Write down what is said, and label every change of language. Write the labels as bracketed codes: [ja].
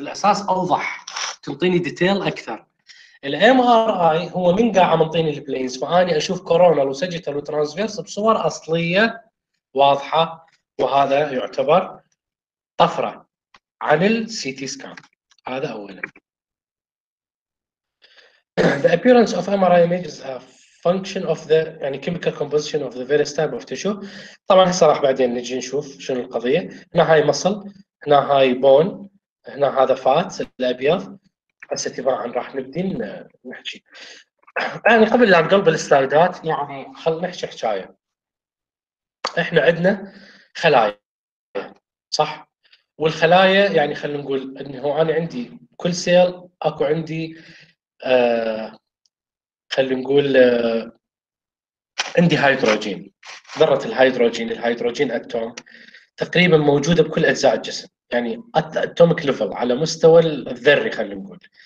[ar] الاساس اوضح تعطيني ديتيل اكثر. الام ار اي هو من قاعه منطيني البلينز، فاني اشوف كورونال وسيجيتال وترانسفيرس بصور اصليه واضحه، وهذا يعتبر طفره عن السي تي سكان. هذا اولا. [en] The appearance of MRI image is a function of the يعني chemical composition of the various type of tissue. [ar] طبعا هسه راح بعدين نجي نشوف شنو القضية. هنا هاي مصل، هنا هاي بون، هنا هذا فات الأبيض. هسه تباعا راح نبدي نحكي. يعني قبل لا نقلب السلايدات يعني خل نحكي حكاية. احنا عندنا خلايا صح؟ والخلايا يعني خلنا نقول انه انا عندي كل سيل اكو عندي خلنا نقول عندي هيدروجين، ذرة الهيدروجين، الهيدروجين اتوم تقريبا موجودة بكل اجزاء الجسم، يعني اتومك ليفل على مستوى الذري خلنا نقول.